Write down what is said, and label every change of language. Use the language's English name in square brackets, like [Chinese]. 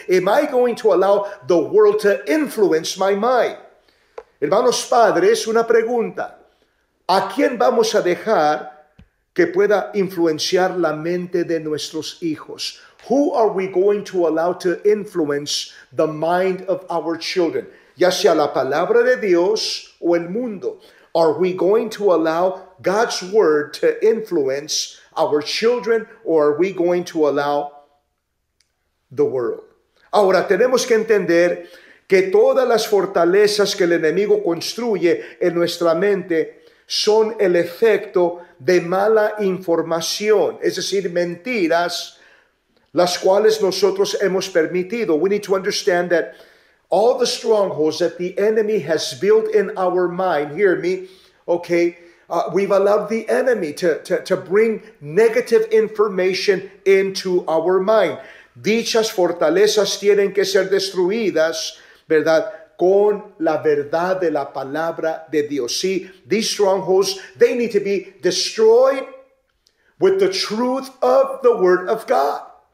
[English] Am I going to allow the world to influence my mind? [Spanish] Hermanos padres, una pregunta. ¿A quién vamos a dejar que pueda influenciar la mente de nuestros hijos? [English] Who are we going to allow to influence the mind of our children? [Spanish] Ya sea la palabra de Dios o el mundo. [English] Are we going to allow God's word to influence our children, or are we going to allow the world? [Spanish] Ahora, tenemos que entender que todas las fortalezas que el enemigo construye en nuestra mente son el efecto de mala información, es decir, mentiras, las cuales nosotros hemos permitido. [English] We need to understand that all the strongholds that the enemy has built in our mind, hear me, okay, we've allowed the enemy to bring negative information into our mind. [Spanish] Dichas fortalezas tienen que ser destruidas, ¿verdad?, con la verdad de la palabra de Dios. [English] See, these strongholds, they need to be destroyed with the truth of the word of God.